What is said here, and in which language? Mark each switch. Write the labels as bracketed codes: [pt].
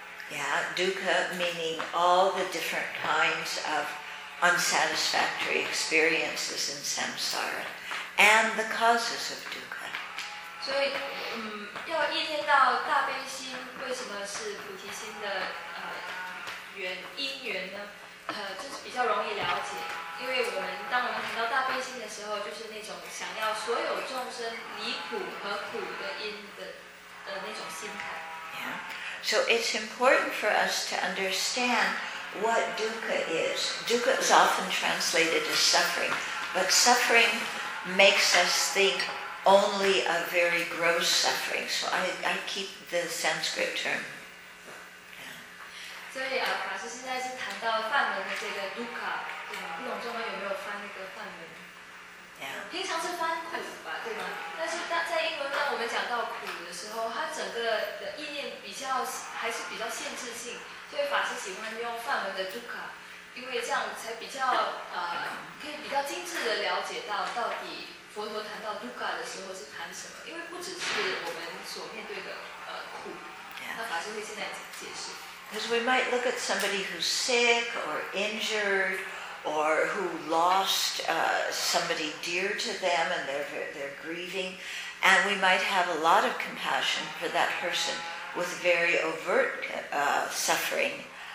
[en] Yeah, dukkha meaning all the different kinds of unsatisfactory experiences in samsara, and the causes of dukkha. [zh] 所以，要意念到大悲心为什么是菩提心的因缘呢？就是比较容易了解，因为当我们谈到大悲心的时候，就是那种想要所有众生离苦和苦的因的那种心态。 [en] Yeah. So it's important for us to understand what dukkha is. Dukkha is often translated as suffering, but suffering makes us think. Only a very gross suffering. So I keep the Sanskrit term. So, yeah, [zh] 法师现在是谈到梵文的这个 dukkha， 对吗？不懂中文有没有翻那个梵文？ [en] Yeah. [zh] 平常是翻苦吧，对吗？但是在英文当我们讲到苦的时候，它整个的意念比较还是比较限制性，所以法师喜欢用梵文的 dukkha， 因为这样才比较可以比较精致的了解到到底佛陀谈到 dukkha 的时候是谈什么，因为不只是我们所面对的苦。那法师会现在解释。 [en] Because we might look at somebody who's sick or injured or who lost somebody dear to them and they're grieving, and we might have a lot of compassion for that person with very overt suffering.